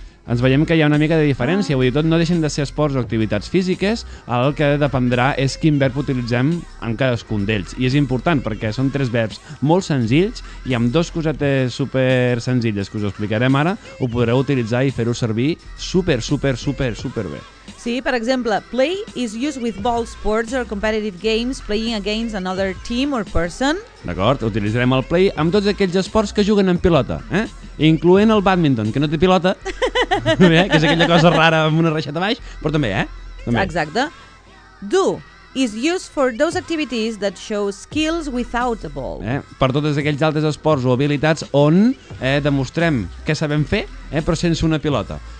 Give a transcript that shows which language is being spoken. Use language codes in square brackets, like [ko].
[ca] Ens veiem que hi ha una mica de diferència, vull dir, tot no deixen de ser esports o activitats físiques, el que dependrà és quin verb utilitzem en cadascun d'ells. I és important, perquè són tres verbs molt senzills i amb dos cosetes super senzilles que us explicarem ara, ho podreu utilitzar i fer-ho servir super, super, super, super bé. Sí, per exemple, [en] play is used with ball sports or competitive games, playing against another team or person. [ca] D'acord, utilitzarem el play amb tots aquells esports que juguen amb pilota, eh? Incloent el badminton, que no té pilota, que és aquella cosa rara amb una reixeta baix, però també, eh? També. Exacte. [en] Do is used for those activities that show skills without a ball. [ca] Per tots aquells altres esports o habilitats on demostrem què sabem fer, però sense una pilota.